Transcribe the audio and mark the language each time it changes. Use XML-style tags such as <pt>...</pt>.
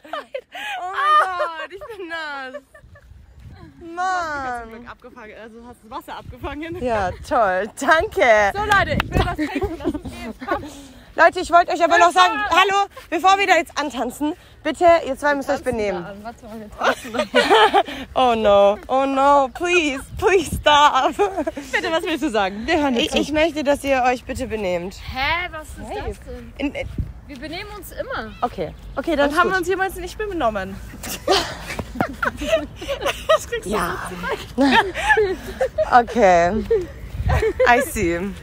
<de>Oh mein Gott, ich bin nass. Mann. Du hast das Wasser abgefangen. Ja, toll, danke. So, Leute, ich will was trinken, lass uns gehen. Leute, ich wollte euch aber noch sagen, hallo, bevor wir da jetzt antanzen, bitte, ihr zwei müsst euch benehmen.</de> <en>Oh no, oh no, please, please stop.</en> <de>Bitte, was willst du sagen? Wir hören jetzt. Ich möchte, dass ihr euch bitte benehmt. Hä, was ist das denn? Wir benehmen uns immer. Okay, okay, dann haben wir uns jemals nicht benommen. Das kriegst du nicht.</de> <en>Okay, I see.</en>